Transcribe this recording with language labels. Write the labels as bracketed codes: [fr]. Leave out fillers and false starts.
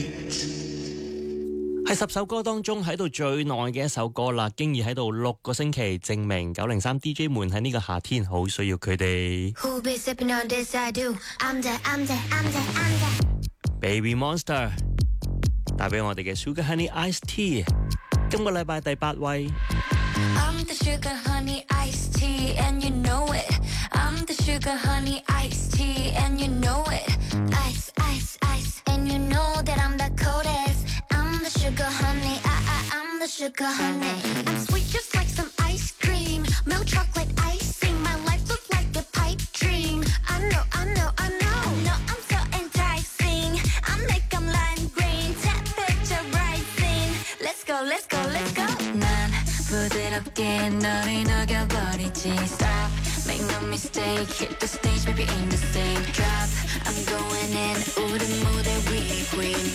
[yue] 是十首歌当中在最耐的一首歌啦，经已在6个星期，证明903DJ 们在这个夏天好需要他们。 Baby Monster 带给我们的 Sugar Honey Ice Tea， 今个礼拜第八位。 [en] I'm the Sugar Honey Ice Tea and you know it， I'm the Sugar Honey Ice Tea and you know it， Ice Ice Ice and you know that I'm the coldest，Sugar honey, I'm the sugar honey. I'm sweet just like some ice cream, milk chocolate icing. My life looks like a pipe dream. I know, I know, I know. No, I'm so enticing. I make them lime green, temperature rising. Let's go, let's go, let's go. [ko] 난 부드럽게 너를 녹여버리지. [en] Stop, make no mistake. Hit the stage, baby, in the same drop. I'm going in. [ko] 우리 무대 위 queen.